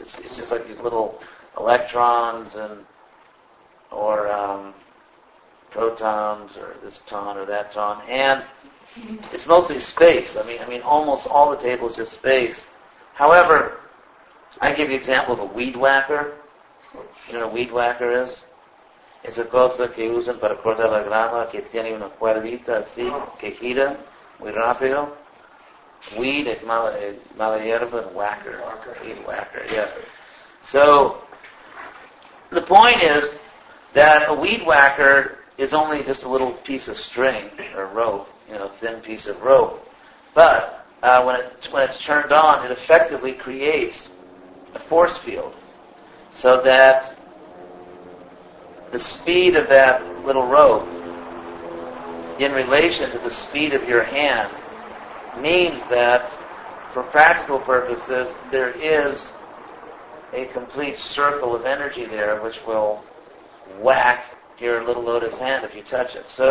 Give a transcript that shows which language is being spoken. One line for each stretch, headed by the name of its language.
English: It's just like these little electrons or protons or this ton or that ton. And it's mostly space. I mean, almost all the table is just space. However, I give the example of a weed whacker. You know what a weed whacker is?
Spanish: Es una cosa que usan para cortar la grama que tiene una cuerdita así que gira muy rápido.
English: Weed
Spanish: es mala hierba,
English: and whacker. Weed whacker, yeah. So, the point is that a weed whacker is only just a little piece of string or rope, you know, a thin piece of rope. But when it's turned on, it effectively creates a force field so that the speed of that little rope in relation to the speed of your hand means that, for practical purposes, there is a complete circle of energy there which will whack your little lotus hand if you touch it.